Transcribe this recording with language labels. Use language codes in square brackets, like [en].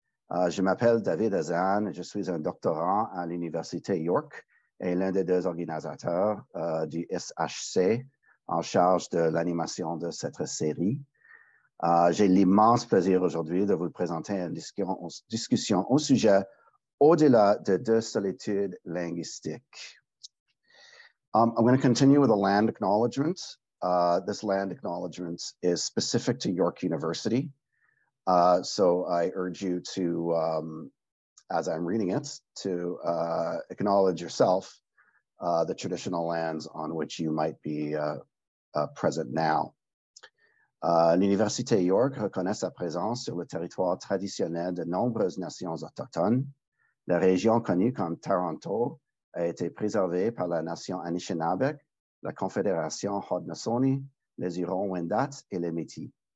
[fr] Je m'appelle David Hazan, je suis un doctorant à l'Université York et l'un des deux organisateurs du SHC en charge de l'animation de cette série. J'ai l'immense plaisir aujourd'hui de vous présenter une discussion au sujet au-delà de deux solitudes linguistiques. [en] I'm going to continue with a land acknowledgement. This land acknowledgement is specific to York University. So I urge you to, as I'm reading it, to acknowledge yourself the traditional lands on which you might be present now. [fr] L'Université York reconnaît sa présence sur le territoire traditionnel de nombreuses nations autochtones. La région connue comme Taranto a été préservée par la nation Anishinaabe, la confédération Haudenosaunee, les Hurons-Wendat et les Métis.